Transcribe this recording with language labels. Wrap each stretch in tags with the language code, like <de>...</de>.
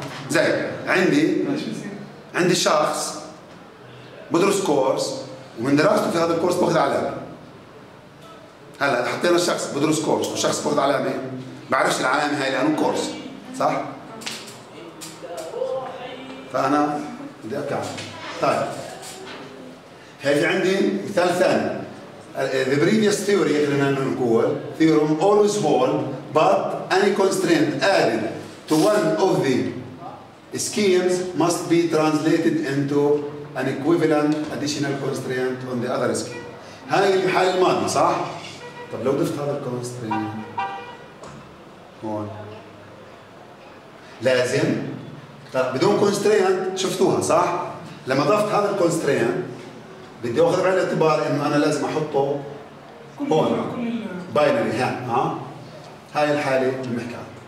<ar>زي عندي عندي شخص بدرس كورس ومن دراسته في هذا الكورس باخذ علامة هلا حطينا الشخص بدرس كورس وشخص باخذ علامة بعرفش العلامة هاي لأنه كورس صح؟ فأنا بدي أكمل طيب هاي عندي مثال ثاني</ar> <en>the previous theory theorem always hold, but any constraint added to one of the schemes must be translated into an equivalent additional constraint on the other scheme.</en> <ar>هاي الحل الماضي صح؟ طب لو ضفت هذا الكونسترينت هون لازم بدون كونسترينت شفتوها صح؟ لما ضفت هذا الكونسترينت بدي اخذ بعين الاعتبار انه انا لازم احطه هون باينري هان ها؟ هاي الحالة بنحكي عنها.</ar>